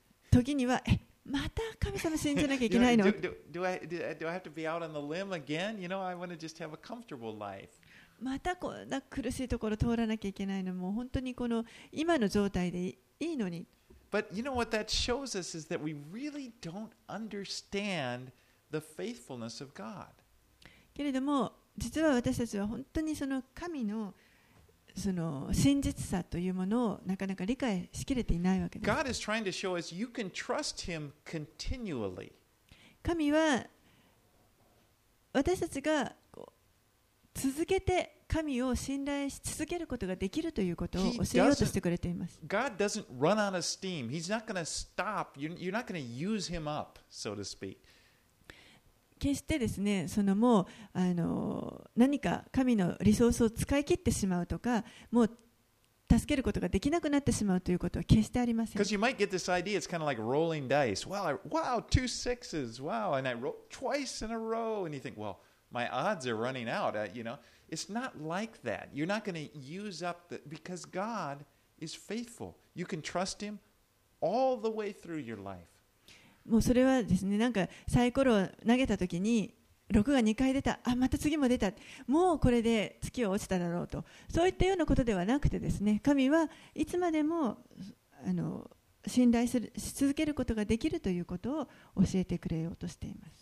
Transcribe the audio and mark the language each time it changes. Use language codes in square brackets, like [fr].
[ja] 時にはまた神様信じなきゃいけないの？ [en] Do I have to be out on the [ja] またこんな苦しいところ通らなきゃいけないのもう本当にこの今の状態でいいのに。 [en] But you know what that shows us is that we really don't understand the faithfulness of God. [ja] けれども、実は私たちは本当にその神のその真実さというものをなかなか理解しきれていないわけです。 [en] God is trying to show us you can trust Him continually. [ja] 神は私たちが続けて神を信頼し続けることができるということを教えようとしてくれています。 [en] God doesn't run out of steam. He's not going to stop. You're not going to use him up, so to speak. [ja] 決してですね、そのもう何か神のリソースを使い切ってしまうとか、もう助けることができなくなってしまうということは決してありません。 [en] Because you might get this idea, it's kind of like rolling dice. Wow, two sixes. Wow, and I roll twice in a row, and you think, well, my odds are running out. You know. It's not like that. You're not going to use up the because God is faithful. You can trust Him all the way through your life. [ja] もうそれはですね、なんかサイコロを投げたときに6が2回出た。あ、また次も出た。もうこれで月は落ちただろうと。そういったようなことではなくてですね、神はいつまでも信頼するし続けることができるということを教えてくれようとしています。